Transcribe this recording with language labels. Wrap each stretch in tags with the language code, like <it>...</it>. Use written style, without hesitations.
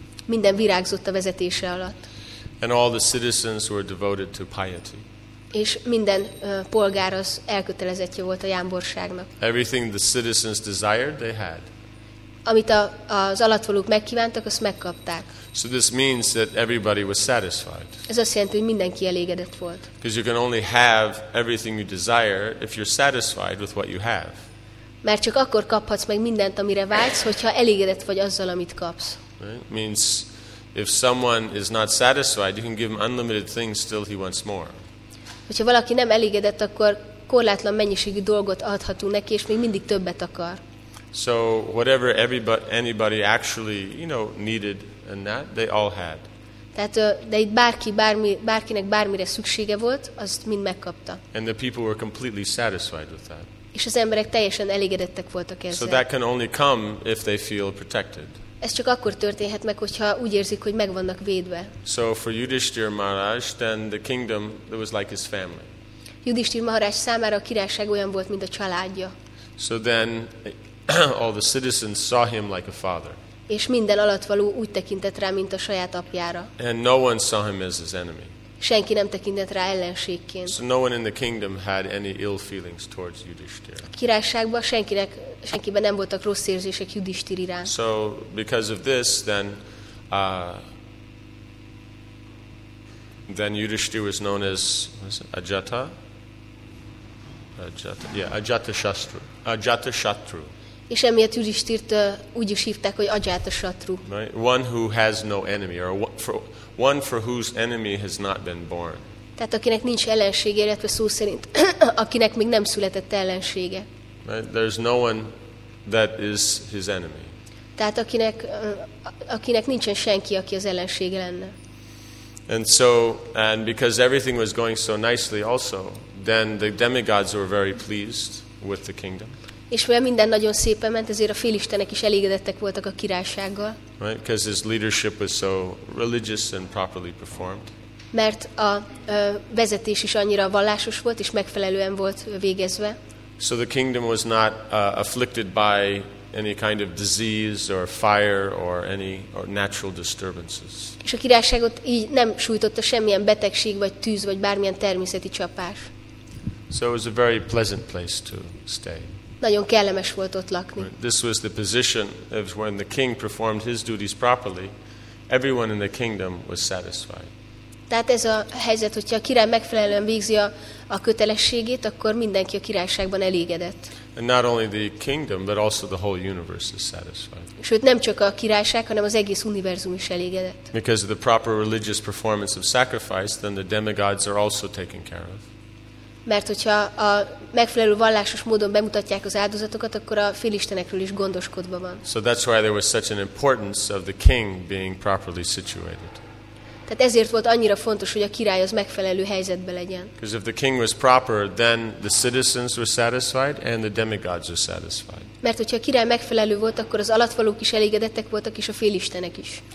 <hu>Minden virágzott a vezetése alatt.</hu> <en>And all the citizens were devoted to piety.</en> <hu>És minden polgár az elkötelezettje volt a jámborságnak.</hu> <en>Everything the citizens desired, they had.</en> <hu>Amit az alattvalók megkívántak, azt megkapták.</hu> <en>So this means that everybody was satisfied.</en> <hu>Ez azt jelenti, hogy mindenki elégedett volt.</hu> <en>Because you can only have everything you desire if you're satisfied with what you have.</en> <hu>Mert csak akkor kaphatsz meg mindent, amire vágysz, hogyha elégedett vagy azzal, amit kapsz.</hu> <en>Right? Means if someone is not satisfied, you can give him unlimited things, still he wants more.</en> <hu>Hogyha valaki nem elégedett, akkor korlátlan mennyiségű dolgot adhatunk neki, és még mindig többet akar.</hu> <en>So whatever anybody actually, you know, needed and that they all had.</en> <hu>Tehát de itt bárkinek bármire szüksége volt, azt mind megkapta.</hu> <en>And the people were completely satisfied with that.</en> <hu>És az emberek teljesen elégedettek voltak ezzel.</hu> <en>So that can only come if they feel protected.</en> <hu>Ez csak akkor történhet meg, hogyha úgy érzik, hogy meg vannak védve.</hu> <en>So for Yudhishthir Maharaj, then the kingdom it was like his family.</en> <hu>Yudhishthir Maharaj számára a királyság olyan volt, mint a családja.</hu> <en>So then all the citizens saw him like a father.</en> <hu>És minden alattvaló úgy tekintett rá, mint a saját apjára.</hu> <en>And no one saw him as his enemy.</en> <hu>senki nem tekintett rá ellenségként.</hu> <en>So no one in the kingdom had any ill feelings towards Yudhishthira.</en> <hu>A királyságban senkiben nem voltak rossz érzések Yudhishthira iránt.</hu> <en>So because of this, then Yudhishthira was known as Ajatashatru.</en> <hu>És emiatt Yudhishthirt úgy is hívták, hogy Ajatashatru.</hu> <en>One who has no enemy, or one for whose enemy has not been born.</en> <hu>Tehát akinek nincs ellensége, illetve szó szerint akinek még nem született ellensége.</hu> <en>There's no one that is his enemy.</en> <hu>Tehát akinek nincsen senki, aki az ellensége lenne.</hu> <en>And so, and because everything was going so nicely also, then the demigods were very pleased with the kingdom.</en> <hu>És mivel minden nagyon szépen ment, ezért a félistenek is elégedettek voltak a királysággal.</hu> <en>Right, because his leadership was so religious and properly performed.</en> <hu>Mert a vezetés is annyira vallásos volt és megfelelően volt végezve.</hu> <en>So the kingdom was not afflicted by any kind of disease or fire or natural disturbances.</en> <hu>És a királyságot így nem sújtotta semmilyen betegség vagy tűz vagy bármilyen természeti csapás.</hu> <en>So it was a very pleasant place to stay.</en> <hu>Nagyon kellemes volt ott lakni.</hu> <en>This was the position of when the king performed his duties properly, everyone in the kingdom was satisfied.</en> <hu>Tehát ez a helyzet, hogyha a király megfelelően végzi a kötelességét, akkor mindenki a királyságban elégedett.</hu> <en>And not only the kingdom, but also the whole universe is satisfied.</en> <hu>Sőt, nem csak a királyság, hanem az egész univerzum is elégedett.</hu> <en>Because of the proper religious performance of sacrifice, then the demigods are also taken care of.</en> <hu>Mert hogyha a megfelelő vallásos módon bemutatják az áldozatokat, akkor a félistenekről is gondoskodva van.</hu> <en>So that's why there was such an importance of the king being properly situated.</en> <hu>Tehát ezért volt annyira fontos, hogy a király az megfelelő helyzetben legyen.</hu> <en>Because if the king was proper, then the citizens were satisfied and the demigods were satisfied.</en> <hu>Mert hogyha a király megfelelő volt, akkor az alattvalók is elégedettek voltak, és a félistenek is.</hu>